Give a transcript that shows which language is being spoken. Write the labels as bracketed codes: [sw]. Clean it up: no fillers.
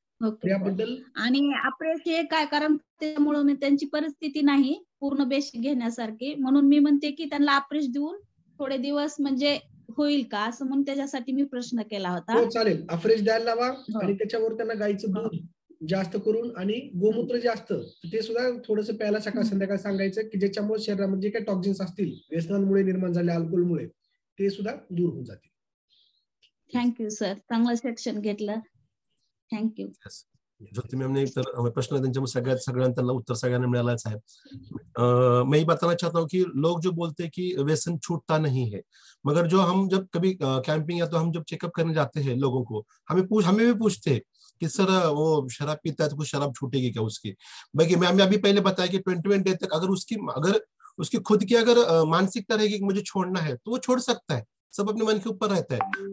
[mr] आणि आप्रेस हे काय, कारण त्यामुळे त्यांची परिस्थिती नाही पूर्ण बेसिक घेण्यासारखी, म्हणून मी म्हणते की त्यांना आप्रेस देऊन थोडे दिवस म्हणजे होईल का असं म्हणून त्याच्यासाठी मी प्रश्न केला होता। चालेल, आप्रेस द्यायला लावा आणि त्याच्यावर त्यांना गायीचं दूध जास्त करून आणि गोमूत्र जास्त ते सुद्धा थोडस प्यायला सकाळ संध्याकाळ सांगायचं की ज्याच्यामुळे शरीरामध्ये काही टॉक्सिन्स असतील व्यसनांमुळे निर्माण झाले अल्कोहोलमुळे ते सुद्धा दूर होऊन जातील। थँक्यू सर, चांगलं सेक्शन घेतलं। [en] Thank you. Yes. [mr] प्रश्न सगळ्यांना उत्तर सगळ्यांना मिळालंय साहेब. [hi] मैं बताना चाहता हूँ कि लोग जो बोलते हैं कि व्यसन छूटता नहीं है, मगर जो हम जब कभी कैंपिंग या तो हम जब चेकअप करने जाते हैं लोगों को, हमें भी पूछते हैं कि सर वो शराब पीता है तो कुछ शराब छूटेगी क्या उसकी. बाकी मैंने अभी पहले बताया कि 21 डे तक अगर उसकी खुद की अगर मानसिकता रहेगी कि मुझे छोड़ना है तो वो छोड़ सकता है, सब अपने मन के ऊपर रहता है.